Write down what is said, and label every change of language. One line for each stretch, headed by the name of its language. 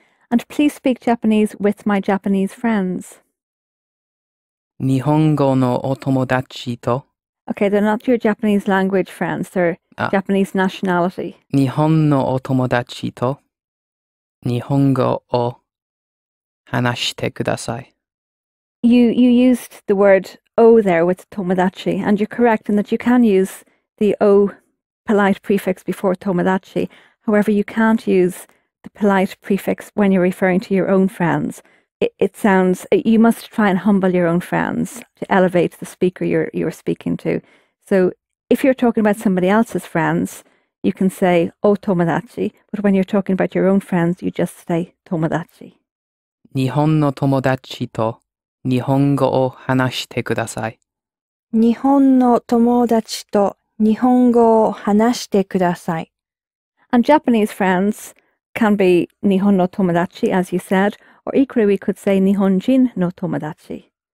English: And please speak Japanese with my Japanese friends.
Japanese: 日本語のお友達と。
English: Okay, they're not your Japanese language friends, they're Japanese nationality.
Japanese: 日本のお友達と日本語を話してください。
English: You used the word O there with tomodachi, and you're correct in that you can use the O polite prefix before tomodachi. However, you can't use the polite prefix when you're referring to your own friends. You must try and humble your own friends to elevate the speaker you're speaking to. So if you're talking about somebody else's friends, you can say O tomodachi, but when you're talking about your own friends, you just say tomodachi.
Japanese: 日本の友達と日本語を話してください。日本の友達と日本語を話してください。
English: And Japanese friends can be
Japanese: 日本の友達,
English: as you said, or equally we could say
Japanese: 日本人の友達.